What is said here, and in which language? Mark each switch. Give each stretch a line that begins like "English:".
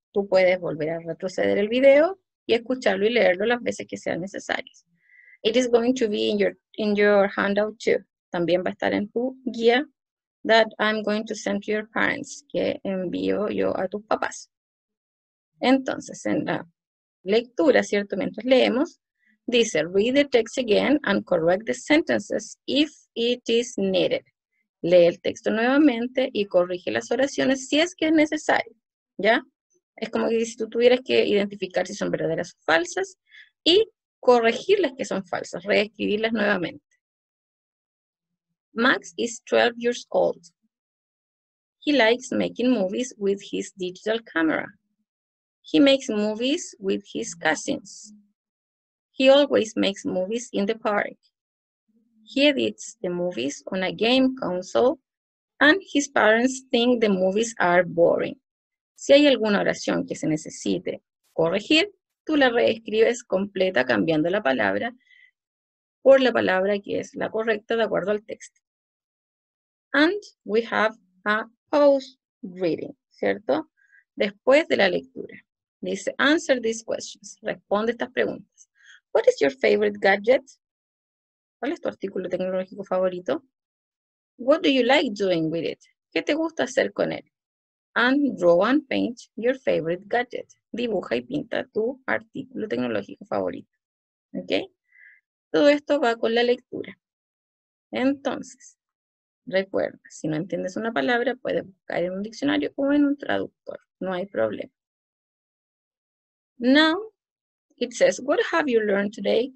Spanish: Tú puedes volver a retroceder el video y escucharlo y leerlo las veces que sean necesarias.
English: It is going to be in your handout too.
Spanish: También va a estar en tu guía
English: that I'm going to send to your parents,
Spanish: que envío yo a tus papás. Entonces, en la lectura, ¿cierto? Mientras leemos, dice,
English: read the text again and correct the sentences if it is needed.
Spanish: Lee el texto nuevamente y corrige las oraciones si es que es necesario, ¿ya? Es como si tú tuvieras que identificar si son verdaderas o falsas y corregirlas que son falsas, reescribirlas nuevamente.
English: Max is 12 years old. He likes making movies with his digital camera. He makes movies with his cousins. He always makes movies in the park. He edits the movies on a game console and his parents think the movies are boring.
Spanish: Si hay alguna oración que se necesite corregir, tú la reescribes completa cambiando la palabra por la palabra que es la correcta de acuerdo al texto.
English: And we have a pause reading, ¿cierto?
Spanish: Después de la lectura. Dice,
English: answer these questions.
Spanish: Responde estas preguntas.
English: What is your favorite gadget?
Spanish: ¿Cuál es tu artículo tecnológico favorito?
English: What do you like doing with it?
Spanish: ¿Qué te gusta hacer con él?
English: And draw and paint your favorite gadget.
Spanish: Dibuja y pinta tu artículo tecnológico favorito. ¿Ok? Todo esto va con la lectura. Entonces, recuerda, si no entiendes una palabra, puedes buscar en un diccionario o en un traductor. No hay problema.
English: Now, it says, what have you learned today?